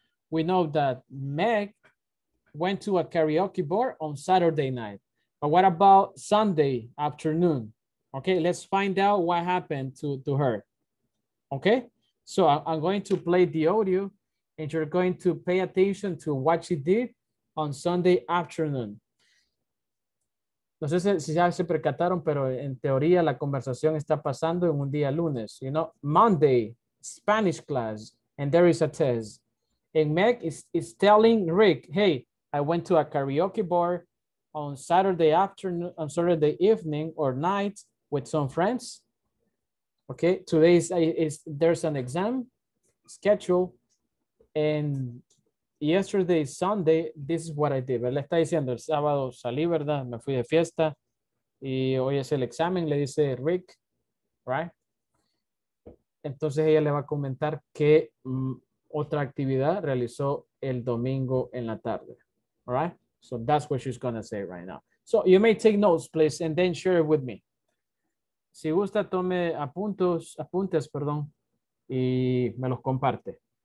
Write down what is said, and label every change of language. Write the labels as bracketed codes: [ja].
[en] We know that Meg went to a karaoke bar on Saturday night. But what about Sunday afternoon? Okay, let's find out what happened to her. Okay, so I'm going to play the audio and you're going to pay attention to what she did on Sunday afternoon. [es] No sé si ya se percataron, pero en teoría la conversación está pasando en un día lunes. [en] You know, Monday. Spanish class, and there is a test. And Meg is telling Rick, hey, I went to a karaoke bar on Saturday afternoon, on Saturday evening or night with some friends. Okay, today there's an exam schedule. And yesterday, Sunday, this is what I did. [es] Le está diciendo, el sábado salí, ¿verdad? Me fui de fiesta. Y hoy es el examen, le dice Rick, right? Entonces ella le va a comentar qué otra actividad realizó el domingo en la tarde. [en] All right? So that's what she's going to say right now. So you may take notes, please, and then share it with me. [es] Si gusta, tome apuntes, y me los comparte.